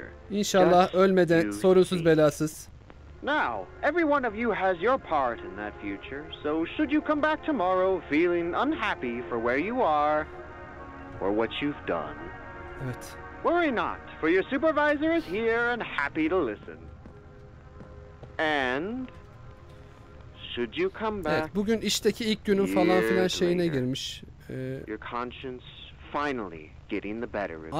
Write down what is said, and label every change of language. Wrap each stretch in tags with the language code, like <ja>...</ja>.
<tr>İnşallah ölmeden sorunsuz belasız.</tr> <en>Now, every one of you has your part in that future. So should you come back tomorrow feeling unhappy for where you are or what you've done?</en> <tr>Evet.</tr> <en>Worry not, for your supervisor is here and happy to listen. And should you come back?</en> <tr>Evet, bugün işteki ilk günün falan filan şeyine girmiş.</tr> <en>Your conscience finally getting the better of you.</en>